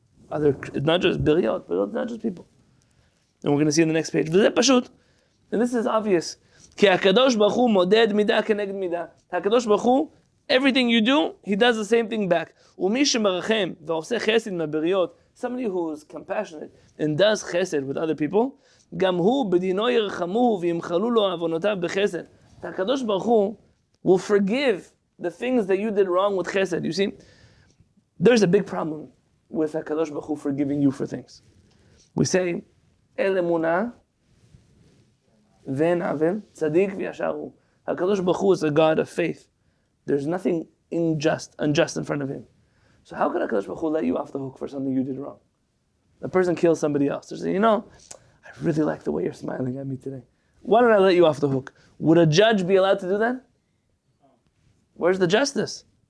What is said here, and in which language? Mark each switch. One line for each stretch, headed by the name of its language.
English: Not just biryot, but not just people. And we're going to see in the next page. V'ze pashut. And this is obvious.
Hebrew: Ki HaKadosh Baruch Hu moded midah keneged midah.
English: HaKadosh Baruch Hu, everything you do, He does the same thing back.
Hebrew: U'mi shemarachem v'oseh chesed ma'biryot.
English: Somebody who is compassionate and does chesed with other people.
Hebrew: גם הוא בדינו ירחמו וימחלו לו אבונותיו בחסד.
English: הקדוש ברוך הוא will forgive the things that you did wrong with chesed. You see, there's a big problem with הקדוש ברוך הוא forgiving you for things. We say,
Hebrew: אל אמונה ואין עוול, צדיק וישר הוא.
English: הקדוש ברוך הוא is a God of faith. There's nothing unjust in front of Him. So how could הקדוש ברוך הוא let you off the hook for something you did wrong? A person kills somebody else. They say, you know, I really like the way you're smiling at me today. Why don't I let you off the hook? Would a judge be allowed to do that? Where's the justice?